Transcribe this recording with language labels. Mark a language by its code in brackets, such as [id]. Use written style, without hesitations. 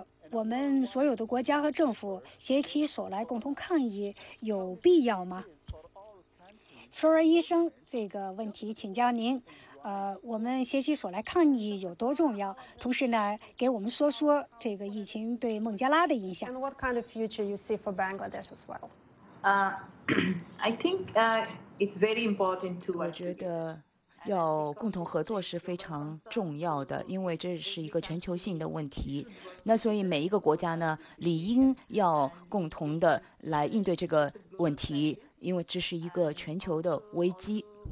[zh] 我们所有的国家和政府携起手来共同抗疫，有必要吗？弗尔医生，这个问题请教您。我们携起手来抗疫有多重要？同时呢，给我们说说这个疫情对孟加拉的影响。 [en] And what kind of future you see for Bangladesh as well? I think it's very important to. [zh] 我觉得要共同合作是非常重要的，因为这是一个全球性的问题。那所以每一个国家呢，理应要共同的来应对这个问题，因为这是一个全球的危机。